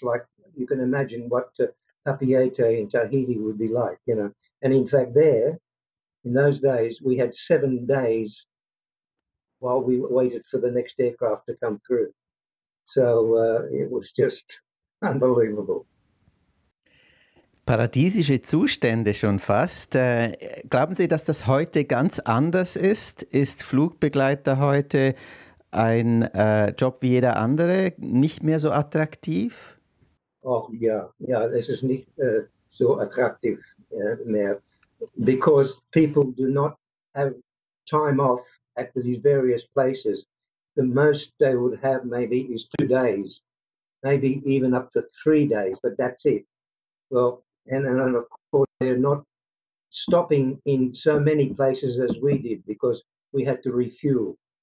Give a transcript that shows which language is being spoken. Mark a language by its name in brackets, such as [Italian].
[English] Like, you can imagine what Papeete in Tahiti would be like, you know. And in fact, there, in those days, we had 7 days while we waited for the next aircraft to come through. So it was just unbelievable. [German] paradiesische Zustände schon fast. Glauben Sie, dass das heute ganz anders ist? Ist Flugbegleiter heute ein Job wie jeder andere, nicht mehr so attraktiv? Ach ja, ja, es ist nicht so attraktiv mehr. [English] Because people do not have time off at these various places. The most they would have maybe is 2 days, maybe even up to 3 days, but that's it. Well, and of course they're not stopping in so many places as we did because we had to refuel.